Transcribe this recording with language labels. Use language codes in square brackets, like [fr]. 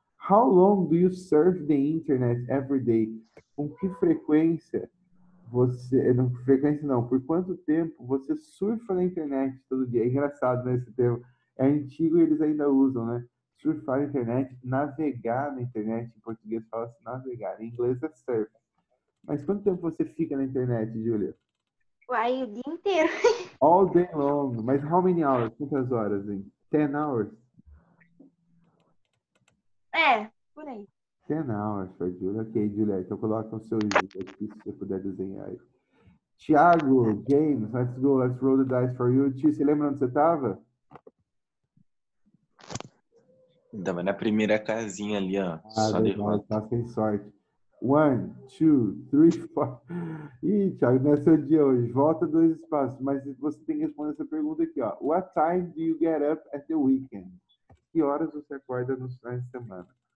[en] How long do you surf the internet every day? [pt] Com que frequência você... Não, frequência não. Por quanto tempo você surfa na internet todo dia? É engraçado, né, esse termo. É antigo e eles ainda usam, né? Surfar na internet, navegar na internet. Em português fala-se navegar. Em inglês é surf. Mas quanto tempo você fica na internet, Julia? Uai, o dia inteiro. [en] All day long. [pt] Mas [en] how many hours? [pt] Quantas horas, hein? [en] 10 hours? [pt] É, por aí. [en] 10 hours for Julia. Ok, Julia. [pt] Então coloca o seu livro aqui se você puder desenhar. [en] Thiago, James, let's go. Let's roll the dice for you. [pt] Tio, você lembra onde você estava? Estava na primeira casinha ali, ó. Ah, tá sem sorte. 1, 2, 3, 4. Ih, Thiago, não é seu dia hoje. Volta 2 espaços. Mas você tem que responder essa pergunta aqui, ó. [en] What time do you get up at the weekend? [pt] Que horas você acorda nos finais de semana?